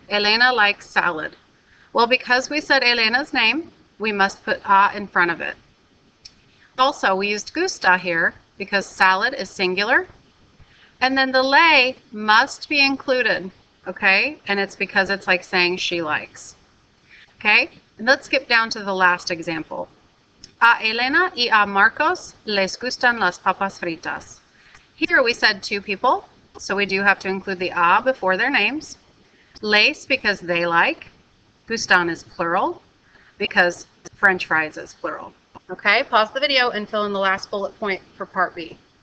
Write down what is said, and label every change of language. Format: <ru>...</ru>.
<en>Elena likes salad. Well, because we said Elena's name, we must put a in front of it. Also, we used gusta here because salad is singular. And then the le must be included. Okay, and it's because it's like saying she likes. Okay, and let's skip down to the last example.</en> <es>A Elena y a Marcos les gustan las papas fritas.</es> <en>Here we said two people, so we do have to include the a before their names. Les because they like. Gustan is plural because French fries is plural. Okay, pause the video and fill in the last bullet point for part B.</en>